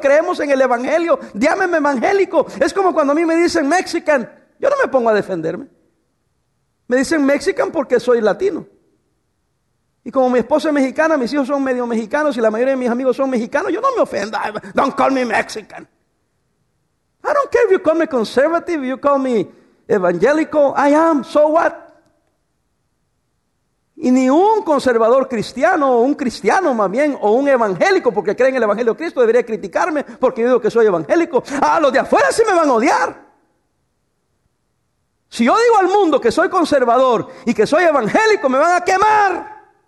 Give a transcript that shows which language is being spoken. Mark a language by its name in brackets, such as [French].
[Spanish] Creemos en el evangelio. Llámeme evangélico. Es como cuando a mí me dicen mexican. Yo no me pongo a defenderme. Me dicen mexican porque soy latino. Y como mi esposa es mexicana, mis hijos son medio mexicanos y la mayoría de mis amigos son mexicanos, yo no me ofendo. [English] Don't call me Mexican. I don't care if you call me conservative, you call me evangelical, I am, so what? [Spanish] Y ni un conservador cristiano, o un cristiano más bien, o un evangélico, porque cree en el evangelio de Cristo, debería criticarme porque yo digo que soy evangélico. Ah, los de afuera sí me van a odiar. Si yo digo al mundo que soy conservador y que soy evangélico, me van a quemar.